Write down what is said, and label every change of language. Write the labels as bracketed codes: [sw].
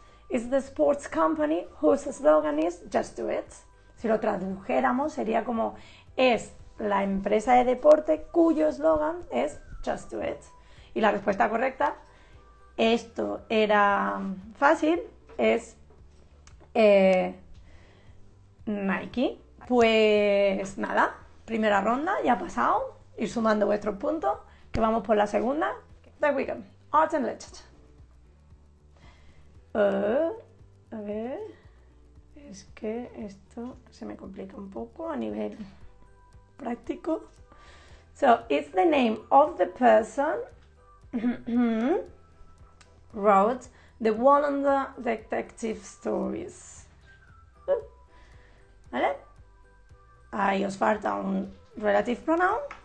[en] Is the sports company whose slogan is just do it. [es] Si lo tradujéramos sería como es la empresa de deporte cuyo eslogan es [en] just do it. [es] Y la respuesta correcta, esto era fácil, es Nike. Pues nada, primera ronda, ya ha pasado. Ir sumando vuestros puntos, que vamos por la segunda. [en] There we go. Art and literature. [es] A ver, es que esto se me complica un poco a nivel práctico. [en] So, it's the name of the person wrote the one on the detective stories. [es] ¿Vale? Ahí os falta un relative pronoun.